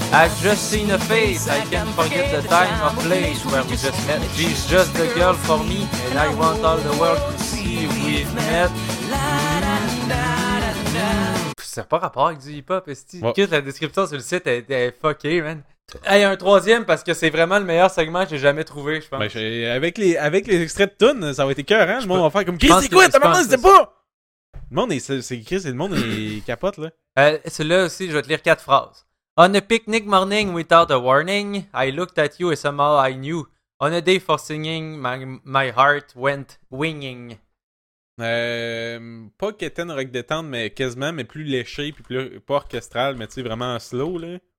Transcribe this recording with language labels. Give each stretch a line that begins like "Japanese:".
English: I've just seen a face, I can't forget the time or place where we just met. She's just the girl for me, and I want all the world to see we've met.
French: Ça n'a pas rapport avec du hip-hop, esti. Chris, la description sur le site est fuckée, man. Hey, un troisième, parce que c'est vraiment le meilleur segment que j'ai jamais trouvé, je pense. Ben, avec les extraits de tunes, ça va être écœurant, hein? Le monde va faire comme « Chris, c'est quoi? T'as maman, c'était pas! » Le monde est... Chris, le monde est capote, là. Celui-là aussi, je vais te lire quatre phrases.
English: « On a picnic morning without a warning, I looked at you and somehow I knew. On a day for singing, my heart went winging. »
French: Pas qu'étant rock détente, mais quasiment, mais plus léché, puis plus pas orchestral, mais tu sais, vraiment slow, là.